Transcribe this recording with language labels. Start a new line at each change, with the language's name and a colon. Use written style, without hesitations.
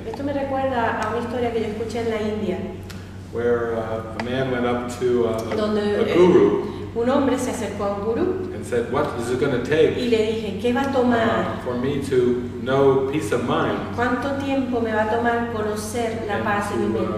Spanish: Esto me recuerda a una historia que yo escuché en la India.
English: Where a man went up to a guru.
Spanish: Un hombre se acercó a un guru.
English: And said, "What is it going to take?"
Spanish: Y le dije, ¿qué va a tomar?
English: For me to know peace of mind.
Spanish: ¿Cuánto tiempo me va a tomar conocer la paz en mi mente?